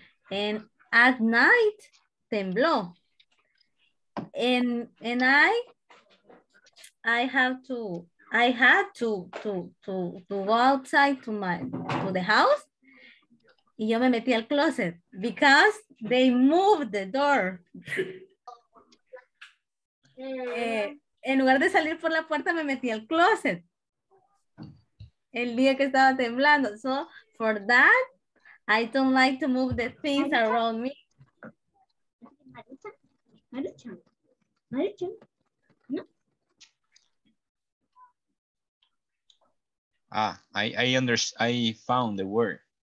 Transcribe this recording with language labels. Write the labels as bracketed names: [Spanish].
[English] And at night, tembló. And I have to I had to go outside to my to the house. [Spanish] Y yo me metí al closet [English] because they moved the door. [Spanish] En lugar de salir por la puerta, me metí al closet. El día que estaba temblando. [English] So for that, I don't like to move the things Marucha? Around me. Ah, I understand. I found the word.